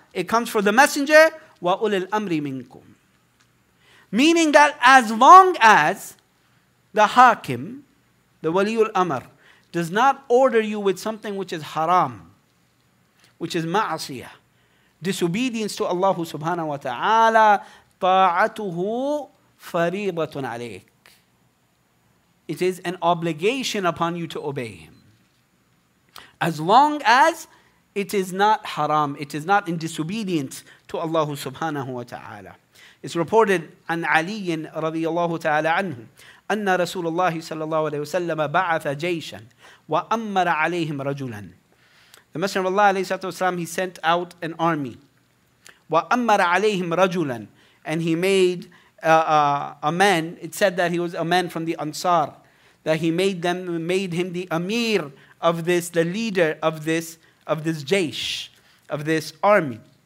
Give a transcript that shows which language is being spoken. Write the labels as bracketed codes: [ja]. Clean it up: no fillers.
[en] It comes for the messenger. [ar] Wa ulil amri minkum. [en] Meaning that as long as the hakim, the waliul amr, does not order you with something which is haram, which is ma'asiyah, disobedience to Allah subhanahu wa ta'ala, ta'atuhu [ar] فَرِيضَةٌ عَلَيْكَ. [en] It is an obligation upon you to obey him. As long as it is not haram, it is not in disobedience to Allah subhanahu wa ta'ala. It's reported [ar] عن علي رضي الله تعالى عنه أن رسول الله صلى الله عليه وسلم بعث جيشا وأمر عليهم رجلا. [en] The Messenger of Allah عليه الصلاة والسلام, he sent out an army. [ar] وأمر عليهم رجلا, [en] and he made a man. It said that he was a man from the Ansar, that he made him the Amir of this, the leader of this jaysh, of this army.